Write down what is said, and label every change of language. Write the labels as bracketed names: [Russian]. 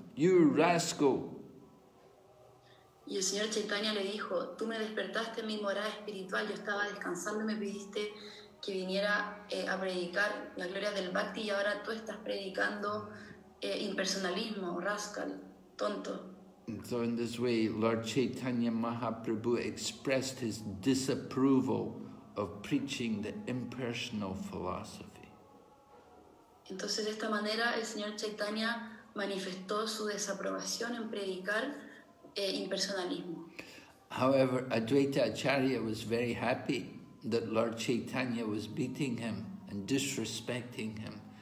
[English] You rascal. [Spanish] Y el señor Chaitanya le dijo, tú me despertaste en mi morada espiritual. Yo estaba descansando y me pediste que viniera a predicar la gloria del Bhakti y ahora tú estás predicando impersonalismo, rascal, tonto. [English] So in this way, Lord Chaitanya Mahaprabhu expressed his disapproval of preaching the impersonal philosophy. [Spanish] Entonces, de esta manera, el señor Chaitanya manifestó su desaprobación en predicar impersonalismo. [English] However, Advaita Acharya was very happy that Lord Chaitanya was beating him and disrespecting him.